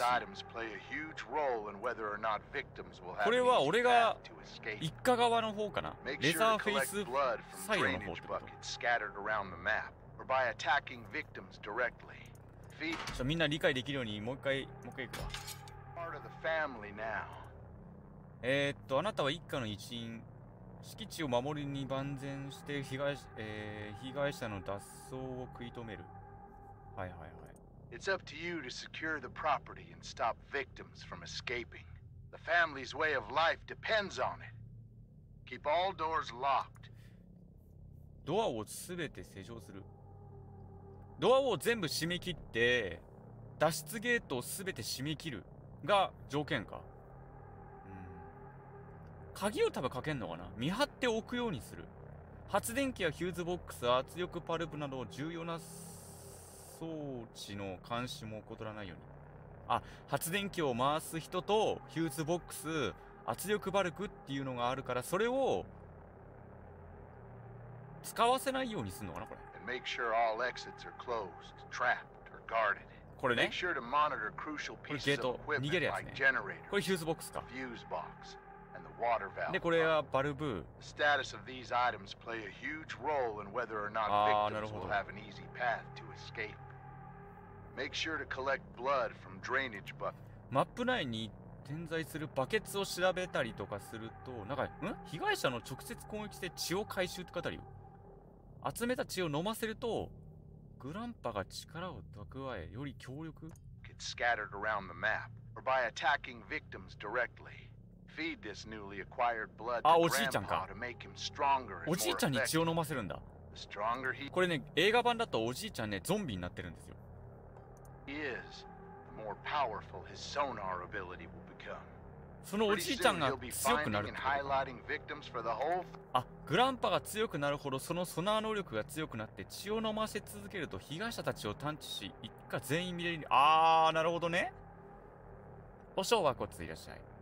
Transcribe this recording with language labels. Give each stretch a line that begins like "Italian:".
English: Status of these items play a huge role in whether or not victims will have a chance to escape.
Japanese: これは俺が一家側の方かな。レザーフェイスサイドの方ってこと。
English: Drainage buckets scattered around the map, or by attacking victims directly.
Japanese: ちょっとみんな理解できるようにもう一回行くわ。
English: Part of the family now.
Japanese: あなたは一家の一員。敷地を守りに万全して被害者の脱走を食い止める。はいはいはい。
English: It's up to you to secure the property and stop victims from escaping. The family's way of life depends on it. Keep all doors locked.
Japanese: ドアをすべて施錠する。ドアを全部閉め切って、脱出ゲートをすべて閉め切るが条件か。鍵を多分かけんのかな？見張っておくようにする。発電機やヒューズボックス、圧力パルプなど重要な装置の監視も怠らないように。あ、発電機を回す人とヒューズボックス、圧力バルクっていうのがあるから、それを使わせないようにするのかな、これ。
English: Make sure all exits are closed, trapped, or guarded.
Japanese: これね。
English: Make sure to monitor crucial pieces of equipment like generators.
Japanese: これゲート、逃げるやつね。これヒューズボックスか。
English: Fuse box and the water valve.
Japanese: で、これはバルブ。
English: The status of these items play a huge role in whether or not victims will have an easy path to escape. Make sure to collect blood from drainage buckets.
Japanese: マップ内に点在するバケツを調べたりとかすると、なんか、ん？被害者の直接攻撃で血を回収って語りよ。集めた血を飲ませるとグランパが力を蓄えより強力。
English: Get scattered around the map or by attacking victims directly. Feed this newly acquired blood to Grandpa to make him stronger.
Japanese: おじいちゃんに血を飲ませるんだ。
English: The stronger he.
Japanese: これね、映画版だとおじいちゃんね、ゾンビになってるんですよ。
English: He is the more powerful his sonar ability will become.
Japanese: そのおじいちゃんが強くなるってことか。あ、グランパが強くなるほどそのソナー能力が強くなって血を飲ませ続けると被害者たちを探知し一家全員見れるに。あー、なるほどね。お小和骨いらっしゃい。